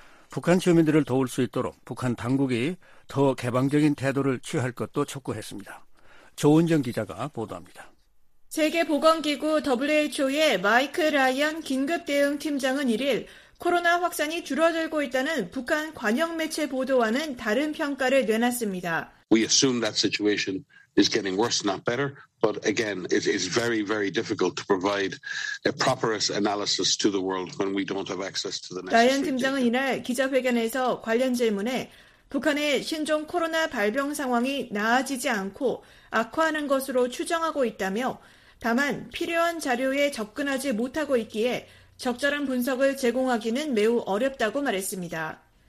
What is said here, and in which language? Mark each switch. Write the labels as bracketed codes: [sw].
[ko] 북한 주민들을 도울 수 있도록 북한 당국이 더 개방적인 태도를 취할 것도 촉구했습니다. 조은정 기자가 보도합니다. 세계보건기구 WHO의 마이크 라이언 긴급대응팀장은 1일 코로나 확산이 줄어들고 있다는 북한 관영매체 보도와는 다른 평가를 내놨습니다. [en] We assume that situation is getting worse, not better. But again, it's very, very difficult to provide a proper analysis to the world when we don't have access to the necessary data. [ko] 라이언 팀장은 이날 기자회견에서 관련 질문에 북한의 신종 코로나 발병 상황이 나아지지 않고 악화하는 것으로 추정하고 있다며 다만 필요한 자료에 접근하지 못하고 있기에 적절한 분석을 제공하기는 매우 어렵다고 말했습니다.